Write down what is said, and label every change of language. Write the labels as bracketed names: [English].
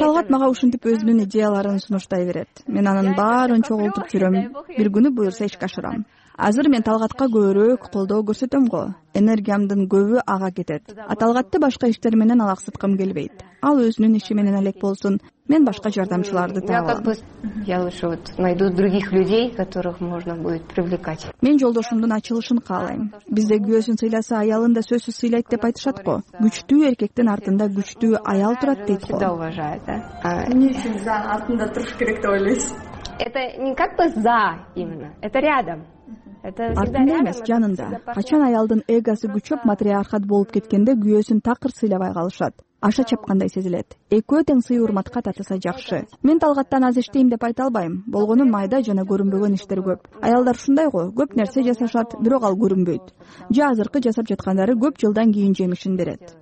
[Kyrgyz] Талгат мага ушинтип өзүнүн идеяларын сунуштай берет. Мен анын баарын чогултуп жүрөм. Бир күнү буюрса ишке ашырам. Азыр мен Талгатка көбүрөөк колдоо көрсөтөм го. Энергиямдын көбү ага кетет. А Талгатты башка иштер менен алаксыткым келбейт. Ал өзүнүн иши менен алек болсун. Мен башка жардамчыларды табам. [Russian] Я лучше вот найду других людей, которых можно будет привлекать. [Kyrgyz] Мен жолдошумдун ачылышын каалайм. Бизде күйөөсүн сыйласа, аялын да сөзсүз сыйлайт деп айтышат го. Күчтүү эркектин артында күчтүү аял турат дейт го. [Russian] Всегда уважаю, да? [Kyrgyz] Эмне үчүн жан артында туруш керек деп ойлойсуз? [Russian] Это не как бы за именно, это рядом. [Kyrgyz] Артында эмес, жанында. Качан аялдын эгосу күчөп, матриархат болуп кеткенде күйөөсүн такыр сыйлабай калышат. Аша чапкандай сезилет. Экөө тең сый урматка татыса жакшы. Мен Талгаттан аз иштейм деп айта албайм. Болгону майда жана көрүнбөгөн иштер көп. Аялдар ушундай го, көп нерсе жасашат, бирок ал көрүнбөйт. Же азыркы жасап жаткандары көп жылдан кийин жемишин берет.